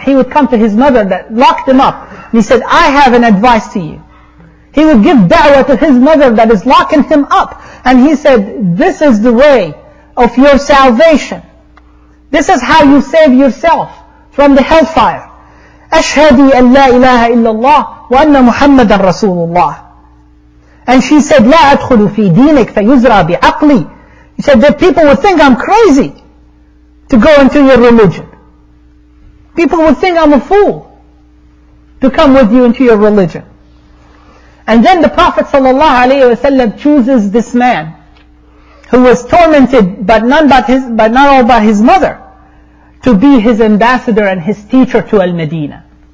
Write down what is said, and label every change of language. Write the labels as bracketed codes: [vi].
[en] He would come to his mother that locked him up. And he said, I have an advice to you. He would give da'wah to his mother that is locking him up. And he said, this is the way of your salvation. This is how you save yourself from the hellfire. [ar] أَشْهَدِي أَنْ لَا إِلَهَ إِلَّا اللَّهِ وَأَنَّ مُحَمَّدًا رَسُولُ اللَّهِ. [en] And she said, [ar] لَا أَدْخُلُ فِي دِينِكَ فَيُزْرَى بِعَقْلِي. [en] He said, the people would think I'm crazy to go into your religion. People would think I'm a fool to come with you into your religion. And then the Prophet sallallahu alayhi wa sallam chooses this man who was tormented but not all by his mother to be his ambassador and his teacher to Al-Madinah.